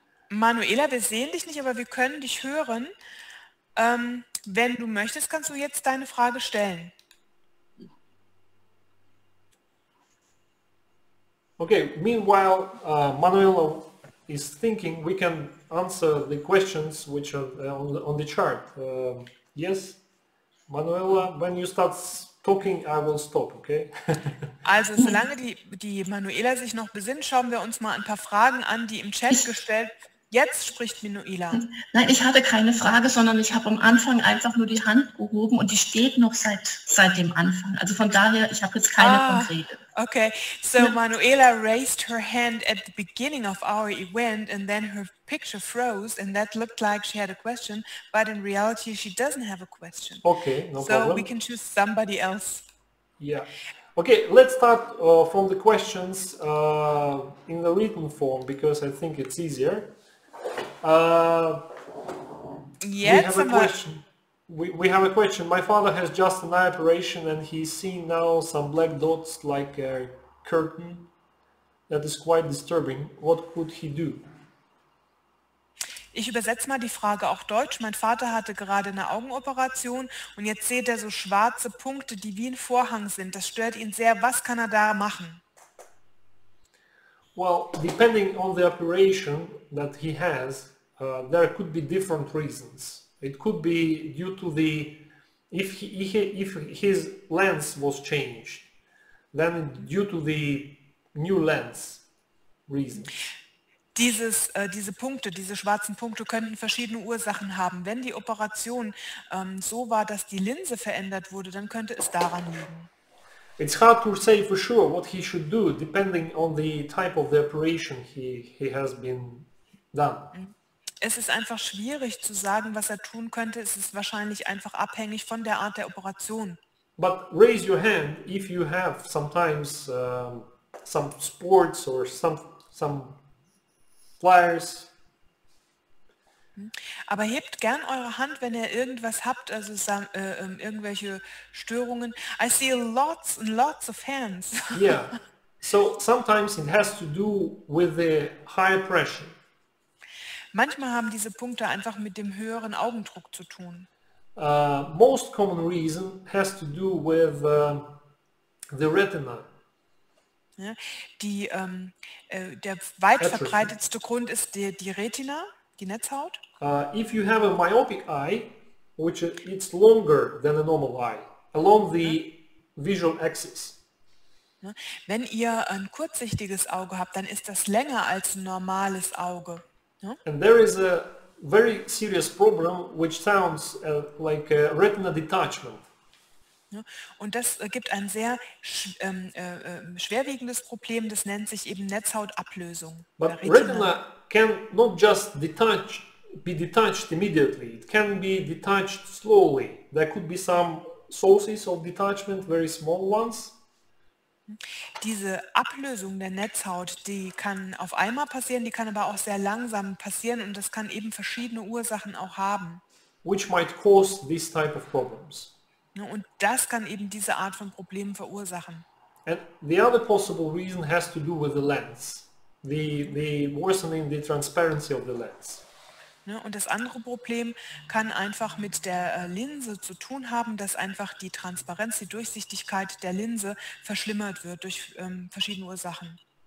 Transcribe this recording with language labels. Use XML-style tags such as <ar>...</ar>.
<de>Manuela, wir sehen dich nicht, aber wir können dich hören. Wenn du möchtest, kannst du jetzt deine Frage stellen.</de> <en>Okay, meanwhile, Manuela is thinking we can answer the questions which are on the chart. Yes, Manuela, when you start talking, I will stop, okay?</en> <de>Also solange die Manuela sich noch besinnt, schauen wir uns mal ein paar Fragen an, die im Chat gestellt. Jetzt spricht Manuela. Nein, ich hatte keine Frage, sondern ich habe am Anfang einfach nur die Hand gehoben und die steht noch seit dem Anfang. Also von daher, ich habe jetzt keine konkrete.</de> <en>Okay, so Manuela raised her hand at the beginning of our event and then her picture froze and that looked like she had a question, but in reality she doesn't have a question. Okay, no so problem. So we can choose somebody else. Yeah. Okay, let's start from the questions in the written form because I think it's easier. We have a question. My father has just an eye operation and he's seen now some black dots like a curtain that is quite disturbing. What could he do?</en> <de>Ich übersetze mal die Frage auch deutsch. Mein Vater hatte gerade eine Augenoperation und jetzt sieht er so schwarze Punkte, die wie ein Vorhang sind. Das stört ihn sehr. Was kann er da machen?</de> <en>Well, depending on the operation that he has, there could be different reasons. It could be due to the, if his lens was changed, then due to the new lens reason.</en> <de>Diese Punkte, diese schwarzen Punkte könnten verschiedene Ursachen haben. Wenn die Operation so war, dass die Linse verändert wurde, dann könnte es daran liegen.</de> <en>It's hard to say for sure what he should do, depending on the type of the operation he has been done.</en> <de>Es ist einfach schwierig zu sagen, was er tun könnte. Es ist wahrscheinlich einfach abhängig von der Art der Operation.</de> <en>But raise your hand if you have sometimes some sports or some flyers.</en> <de>Aber hebt gern eure Hand, wenn ihr irgendwas habt, also irgendwelche Störungen.</de> <en>I see lots and lots of hands. Yeah, so sometimes it has to do with the high pressure.</en> <de>Manchmal haben diese Punkte einfach mit dem höheren Augendruck zu tun.</de> <en>Most common reason has to do with the retina.</en> <de>Ja, die, der weit verbreitetste Grund ist die Retina. Die Netzhaut?</de> <en>If you have a myopic eye, which it's longer than a normal eye, along the visual axis.</en> <de>Wenn ihr ein kurzsichtiges Auge habt, dann ist das länger als ein normales Auge.</de> <en>And there is a very serious problem, which sounds like a retina detachment.</en> <de>Und das gibt ein sehr schwerwiegendes Problem, das nennt sich eben Netzhautablösung.</de> <en>But retina can not just be detached immediately, it can be detached slowly. There could be some sources of detachment, very small ones.</en> <de>Diese Ablösung der Netzhaut, die kann auf einmal passieren, die kann aber auch sehr langsam passieren und das kann eben verschiedene Ursachen auch haben.</de> <en>Which might cause these type of problems.</en> <de>Und das kann eben diese Art von Problemen verursachen.</de> <en>And the other possible reason has to do with the lens. The worsening the transparency of the lens.</en> <de>Und das andere Problem kann einfach mit der Linse zu tun haben, dass einfach die Transparenz, die Durchsichtigkeit der Linse verschlimmert wird durch verschiedene Ursachen.</de>